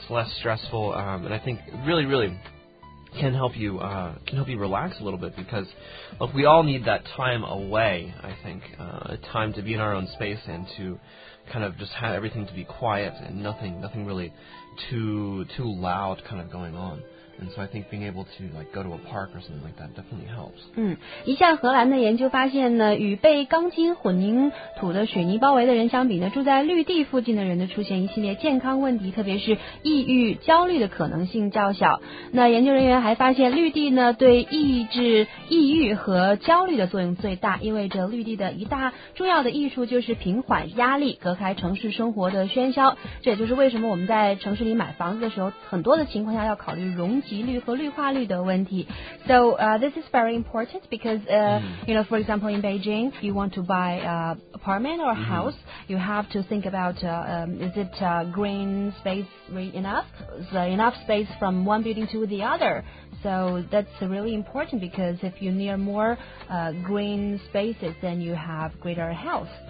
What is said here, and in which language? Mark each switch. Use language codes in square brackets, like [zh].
[en] It's less stressful, and I think really, really can help you relax a little bit, because look, we all need that time away, I think, time to be in our own space and to kind of just have everything to be quiet and nothing really too loud kind of going on. And so I think being able to like go to a park or something like that definitely helps. [zh] 一项荷兰的研究发现呢，与被钢筋混凝土的水泥包围的人相比呢，住在绿地附近的人呢，出现一系列健康问题，特别是抑郁、焦虑的可能性较小。那研究人员还发现，绿地呢对抑制抑郁和焦虑的作用最大，意味着绿地的一大重要的益处就是平缓压力，隔开城市生活的喧嚣。这也就是为什么我们在城市里买房子的时候，很多的情况下要考虑容积率和绿化率的问题。 [en] So this is very important because you know, for example, in Beijing, you want to buy apartment or house, you have to think about is it green space enough? So enough space from one building to the other. So that's really important, because if you near more green spaces, then you have greater health.